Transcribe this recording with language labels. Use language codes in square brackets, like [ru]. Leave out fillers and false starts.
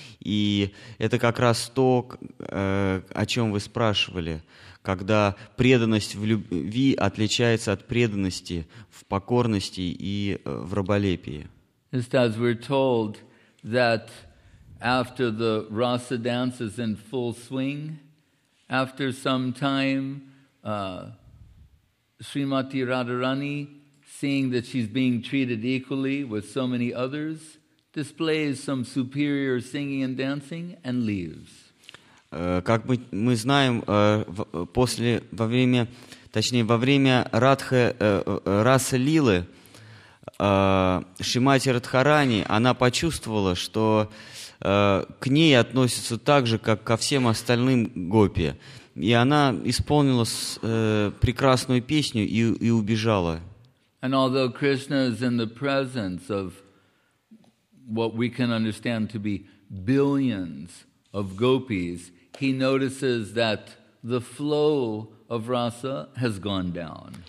[ru] И это как раз то, о чем вы спрашивали, когда преданность в любви отличается от преданности в покорности и в раболепии. [en] Just as we're told that after the rasa dance is in full swing, after some time, Srimati Radharani, seeing that she's being treated equally with so many others, displays some superior singing and dancing and leaves. [ru] Как мы знаем, после, во время, точнее, во время Радха, Раса Лилы, Шримати Радхарани, она почувствовала, что к ней относятся так же, как ко всем остальным гопи. И она исполнила прекрасную песню и убежала. [en] And although Krishna is in the presence of what we can understand to be billions of gopis, he notices that the flow of rasa has gone down.